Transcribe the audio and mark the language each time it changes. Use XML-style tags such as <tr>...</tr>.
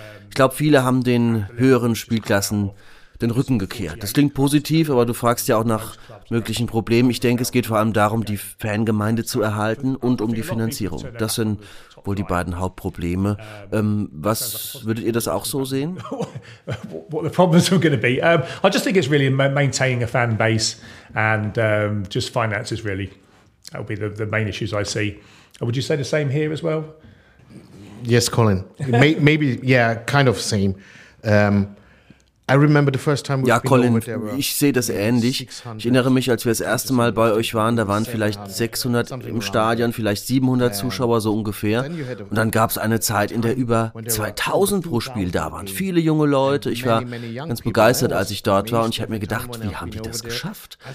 <de>Ich glaube, viele haben den höheren Spielklassen den Rücken gekehrt. Das klingt positiv, aber du fragst ja auch nach möglichen Problemen. Ich denke, es geht vor allem darum, die Fangemeinde zu erhalten und um die Finanzierung. Das sind wohl die beiden Hauptprobleme. Was würdet ihr das auch so sehen?</de> <en>What the problems are going to be? I just think it's really maintaining a fan base and just finances really. That'll be the main issues I see. Would you say the same here as well? Yes, Colin. Maybe, yeah, kind of same. I remember the first time</en> <de>ja, Colin, ich sehe das ähnlich. Ich erinnere mich, als wir das erste Mal bei euch waren, da waren vielleicht 600 im Stadion, vielleicht 700 Zuschauer so ungefähr. Und dann gab es eine Zeit, in der über 2000 pro Spiel da waren. Viele junge Leute. Ich war ganz begeistert, als ich dort war. Und ich habe mir gedacht, wie haben die das geschafft?</de>